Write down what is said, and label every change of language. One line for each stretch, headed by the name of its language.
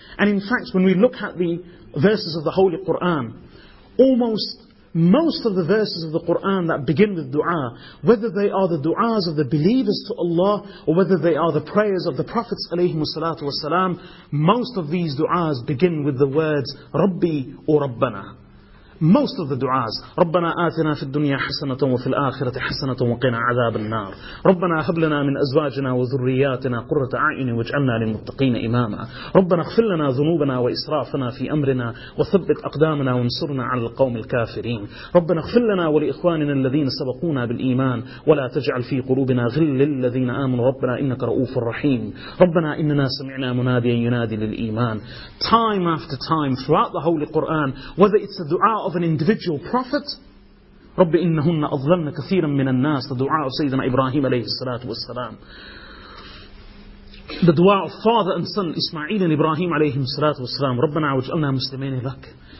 English: And in fact, when we look at the verses of the Holy Qur'an, almost most of the verses of the Qur'an that begin with dua, whether they are the du'as of the believers to Allah, or whether they are the prayers of the Prophets alayhimu salatu wasalam, most of these du'as begin with the words, Rabbi or Rabbana. Most of the du'as,
Arabic: ربنا آتنا في الدنيا حسنة وفي الآخرة حسنة وقنا عذاب النار. ربنا هب لنا من أزواجنا وذرياتنا قرة أعين واجعلنا للمتقين إماما. ربنا اغفر لنا ذنوبنا وإسرافنا في أمرنا وثبت أقدامنا وانصرنا على القوم الكافرين. ربنا اغفر لنا ولإخواننا الذين سبقونا بالإيمان ولا تجعل في قلوبنا غل للذين آمنوا ربنا إنك رؤوف رحيم. ربنا إننا سمعنا مناديا ينادي للإيمان.
English: Time after time throughout the Holy Quran, whether it's a dua of an individual prophet,
Arabic: رَبِّ إِنَّهُنَّ أَظْلَمْنَ كَثِيرًا مِّنَ النَّاسِ,
English: the dua of Sayyidina Ibrahim alayhi salatu wa salam, the dua of father and son Ismail and Ibrahim alayhim salatu wa salam,
Arabic: رَبَّنَا وَجْعَلْنَا مُسْلِمَيْنِ لَكَ.